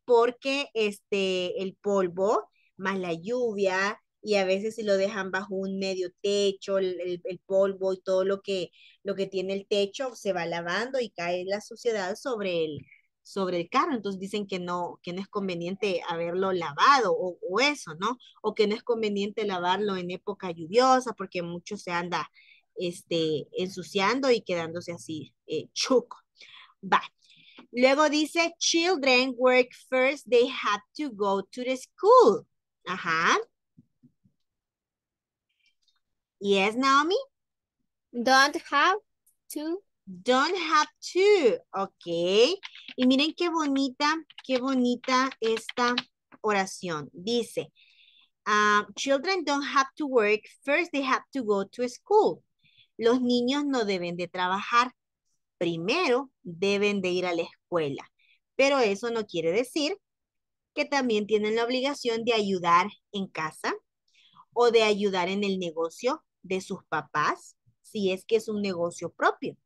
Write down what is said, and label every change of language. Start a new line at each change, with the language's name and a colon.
Spanish: Porque el polvo más la lluvia y a veces si lo dejan bajo un medio techo, el polvo y todo lo que tiene el techo se va lavando y cae la suciedad sobre el carro, entonces dicen que no es conveniente haberlo lavado o eso, ¿no? O que no es conveniente lavarlo en época lluviosa porque mucho se anda ensuciando y quedándose así chuco. Va. Luego dice,
English: children work first, they have to go to the school. Ajá. Yes, Naomi. Don't have to. Don't have to, ok.
Spanish: Y miren qué bonita esta oración. Dice,
English: children don't have to work, first they have to go to school.
Spanish: Los niños no deben de trabajar, primero deben de ir a la escuela. Pero eso no quiere decir que también tienen la obligación de ayudar en casa o de ayudar en el negocio de sus papás, si es que es un negocio propio.